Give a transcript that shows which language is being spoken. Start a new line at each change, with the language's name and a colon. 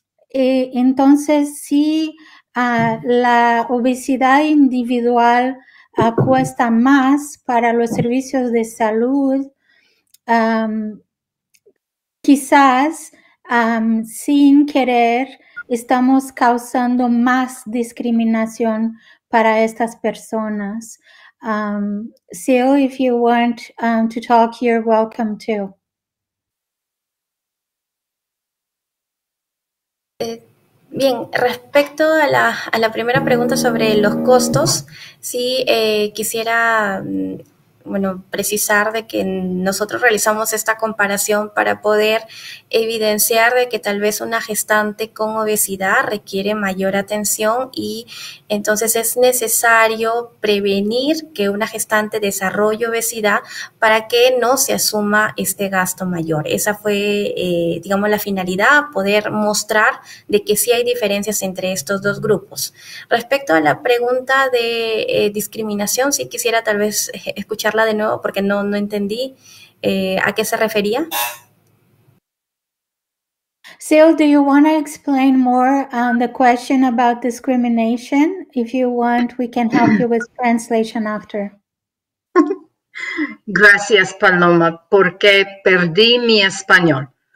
Spanish: Entonces, si la obesidad individual cuesta más para los servicios de salud, quizás sin querer estamos causando más discriminación para estas personas.
English: Sil, if you want to talk, you're welcome to. Eh,
Spanish: Bien, respecto a la primera pregunta sobre los costos, sí, quisiera, bueno, precisar de que nosotros realizamos esta comparación para poder evidenciar de que tal vez una gestante con obesidad requiere mayor atención y entonces es necesario prevenir que una gestante desarrolle obesidad para que no se asuma este gasto mayor. Esa fue, digamos, la finalidad, poder mostrar de que sí hay diferencias entre estos dos grupos. Respecto a la pregunta de discriminación, sí quisiera tal vez escuchar de nuevo porque no entendí a qué se refería.
English: So, do you want to explain more on the question about discrimination? If you want, we can help you with translation after.
Spanish: Gracias, Paloma, porque perdí mi español.